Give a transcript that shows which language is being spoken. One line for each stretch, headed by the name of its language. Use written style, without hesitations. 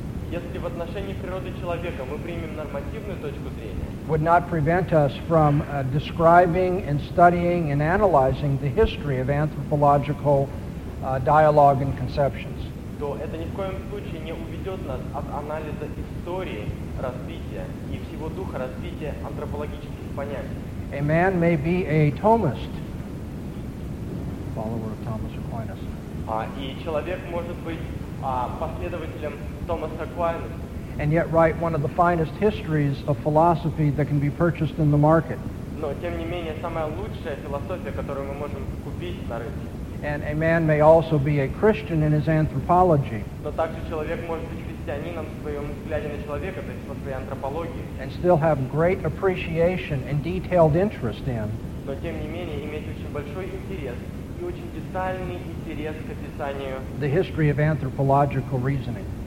Russian: если в отношении природы человека мы примем нормативную точку зрения,
English: would not prevent us from describing and studying and analyzing the history of anthropological dialogue and conceptions.
Russian: То это ни в коем случае не уведет нас от анализа истории развития и всего духа развития антропологических понятий.
English: A man may be a Thomist, follower of Thomas Aquinas.
Russian: И человек может быть последователем Томаса Аквинаса.
English: And yet write one of the finest histories of philosophy that can be purchased in the market.
Russian: Но тем не менее самая лучшая философия, которую мы можем купить на рынке.
English: And a man may also be a Christian in his anthropology.
Russian: Но также человек может быть христианином в своем взгляде на человека, то есть в своей антропологии.
English: And still have great appreciation and detailed interest in.
Russian: Но тем не менее иметь очень большой интерес и очень детальный интерес к описанию
English: the history of anthropological reasoning.